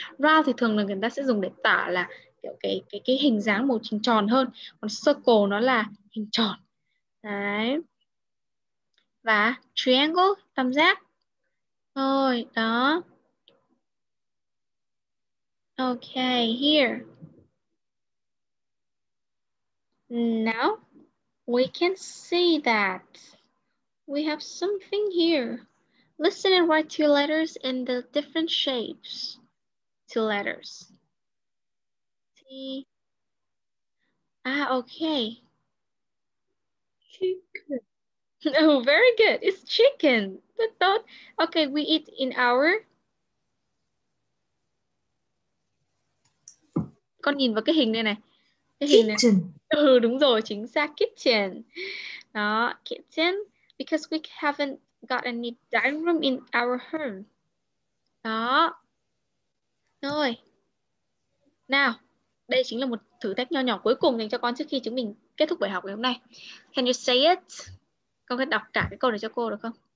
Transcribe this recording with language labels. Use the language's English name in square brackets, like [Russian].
[Vietnamese] Round thì thường là người ta sẽ dùng để tả là kiểu cái hình dáng một hình tròn hơn, còn circle nó là hình tròn, đấy, và triangle, tam giác, thôi, đó, [English] okay, here. Now, we can see that we have something here. Listen and write two letters in the different shapes. Two letters. T. Ah, okay. Chicken. Oh, very good. It's chicken. The thought. Okay, we eat in our... [Vietnamese] Con nhìn vào cái hình này này. [English] Kitchen. [Vietnamese] Ừ, đúng rồi, chính xác, kitchen. Đó, kitchen. [English] Because we haven't got any dining room in our home. [Vietnamese] Đó. Rồi. Now, đây chính là một thử thách nhỏ nhỏ cuối cùng dành cho con trước khi chúng mình kết thúc buổi học ngày hôm nay. [English] Can you say it? [Vietnamese] Con có thể đọc cả cái câu này cho cô được không?